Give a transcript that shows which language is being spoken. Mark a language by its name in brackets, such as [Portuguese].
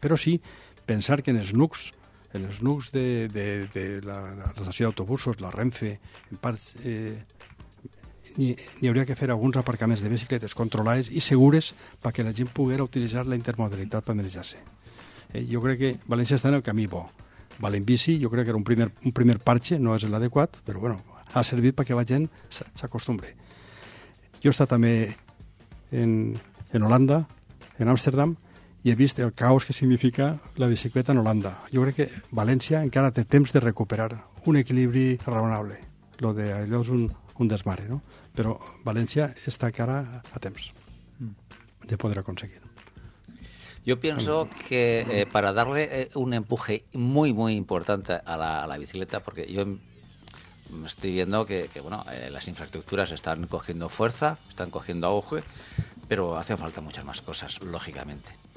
[Catalan] Però sí, pensar que en els nucs de la estació d'autobusos, la Renfe, en part, n'hi hauria que fer alguns aparcaments de bicicletes controlades i segures perquè la gent poguera utilitzar la intermodalitat per manejar-se. Jo crec que València està en el camí bo. Valent bici, jo crec que era un primer parche, no és l'adequat, però bueno, ha servit perquè la gent s'acostumbre. Jo he estat també en Holanda, en Amsterdam, i he vist el caos que significa la bicicleta en Holanda. Jo crec que València encara té temps de recuperar un equilibri raonable. Lo de allò és un desmare, no? Però València està encara a temps de poder aconseguir. [Spanish] Yo pienso que para darle un empuje muy, muy importante a la bicicleta, porque yo estoy viendo que las infraestructuras están cogiendo fuerza, están cogiendo auge, pero hacen falta muchas más cosas, lógicamente.